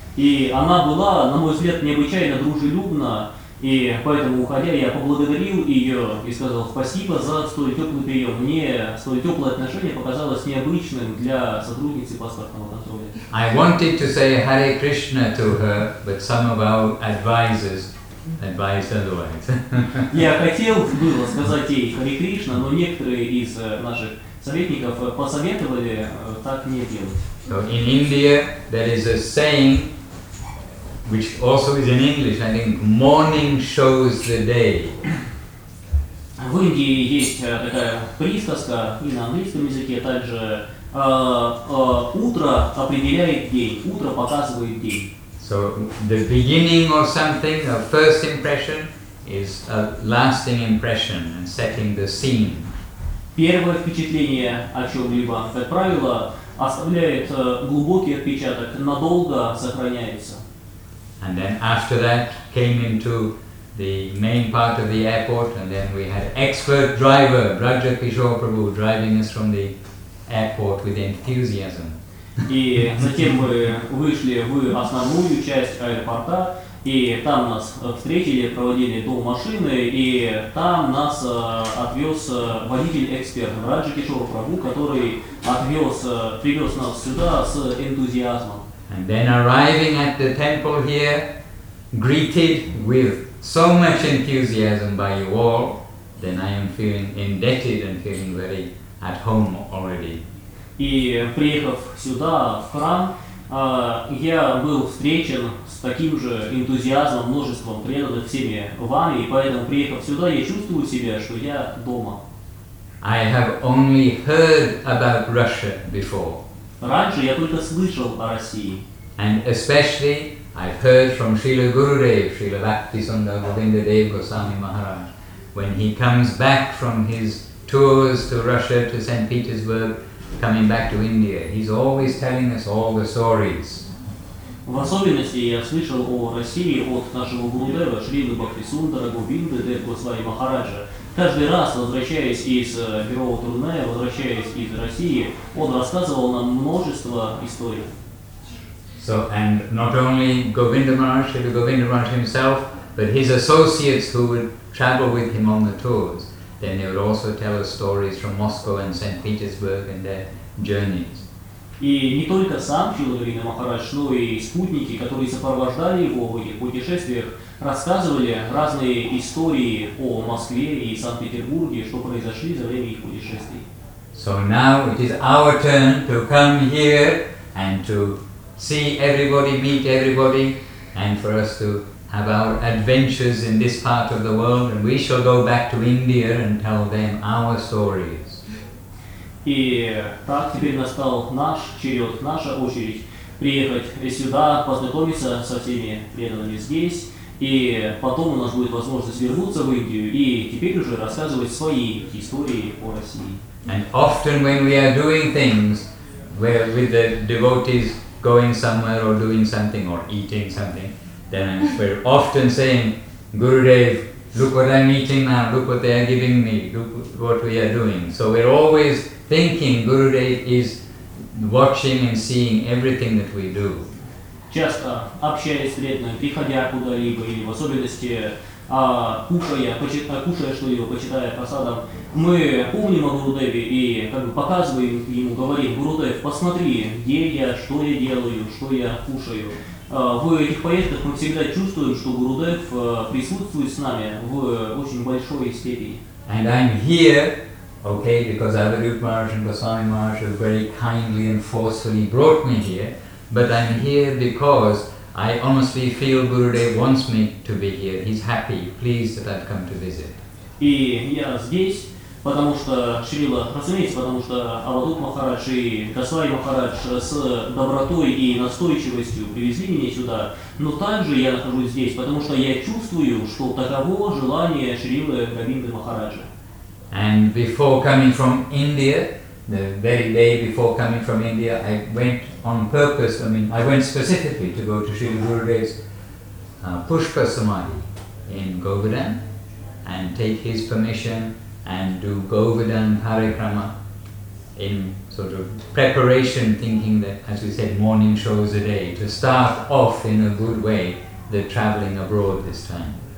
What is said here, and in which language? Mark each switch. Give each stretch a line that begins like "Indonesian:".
Russian: И она была, на мой взгляд, необычайно дружелюбна, и поэтому, уходя, я поблагодарил ее и сказал спасибо за столь теплый прием. Мне столь теплое отношение показалось необычным для сотрудницы паспортного контроля.
English: I wanted to say Hare Krishna to her, but some of our advisors advised otherwise.
Russian: Я хотел было сказать ей Hare Krishna, но некоторые из наших советников посоветовали так не делать.
English: So in India there is a saying, which also is in English, I think, morning shows the day.
Russian: В Индии есть такая присказка, и на английском языке также, утро определяет день, утро показывает день.
English: So the beginning of something, a first impression, is a lasting impression and setting the scene.
Russian: Первое впечатление о чем-либо, как правило, оставляет глубокий отпечаток, надолго сохраняется.
English: And then after that came into the main part of the airport, and then we had expert driver Braja Kishore Prabhu driving us from the airport with enthusiasm.
Russian: И затем мы вышли в основную часть аэропорта, и там нас встретили, проводили до машины, и там нас отвез водитель-эксперт Раджа Кишора Прабху, который привез нас сюда с энтузиазмом.
English: And then arriving at the temple here, greeted with so much enthusiasm by you all, then I am feeling indebted and feeling very at home already.
Russian: И приехав сюда, в храм, я был встречен с таким же энтузиазмом, множеством преданных всеми вами, и поэтому, приехав сюда, я чувствую себя, что я дома.
English: I have only heard about Russia before.
Russian: Раньше я только слышал о России.
English: And especially, I've heard from Srila Gurudev, Srila Bhaktisundar Govindadev Goswami Maharaj, when he comes back from his tours to Russia, to St. Petersburg, coming back to India. He's always telling us all the stories.
Russian: В особенности я слышал о России от нашего Гурудева, Шрилы Бхактисундара, Говинды, Дев Госвами Махараджа. Каждый раз, возвращаясь из Мирового Турне, возвращаясь из России, он рассказывал нам множество историй.
English: So, and not only Govinda Maharaj, Shrila Govinda Maharaj himself, but his associates who would travel with him on the tours, then they would also tell us stories from Moscow and St. Petersburg and their journeys.
Russian: И не только сам Шрила Говинда Махарадж, но и спутники, которые сопровождали его в этих путешествиях, рассказывали разные истории о Москве и Санкт-Петербурге, что произошло за время их путешествий.
English: So now it is our turn to come here and to see everybody, meet everybody, and for us to have our adventures in this part of the world, and we shall go back to India and tell them our stories.
Russian: И так теперь настал наш черед, наша очередь приехать сюда, познакомиться со всеми преданными здесь. И потом у нас будет возможность вернуться в Индию и теперь уже рассказывать свои истории о России.
English: And often when we are doing things where with the devotees going somewhere or doing something or eating something, then we're often saying, Gurudev, look what I'm eating now, look what they are giving me, look what we are doing. So we're always thinking Gurudev is watching and seeing everything that we do.
Russian: Часто общаясь с преданным, приходя куда-либо, или в особенности кушая что-либо, почитая просадам, мы помним о Гурудеве и как бы показываем ему, говорим: Гурудев, посмотри, где я, что я делаю, что я кушаю. В этих поездках мы всегда чувствуем, что Гурудев присутствует с нами в очень большой степени.
English: And I'm here, okay, because Avadhut Maharaj and Goswami Maharaj have very kindly and forcefully brought me here. But I'm here because I honestly feel Gurudev wants me to be here. He's happy, pleased that I've come to visit.
Russian: И я здесь, потому что Шрила, разумеется, потому что Авадут Махарадж и Госвами Махарадж с добротой и настойчивостью привезли меня сюда. Но также я нахожусь здесь, потому что я чувствую, что таково желание Шрилы Говинды Махараджа.
English: And before coming from India, the very day before coming from India, I went on purpose, I mean, I went specifically to go to Srila Gurudev's Pushpa Samadhi in Govardhan and take his permission and do Govardhan Parikrama in sort of preparation, thinking that, as we said, morning shows a day, to start off in a good way the traveling abroad this time.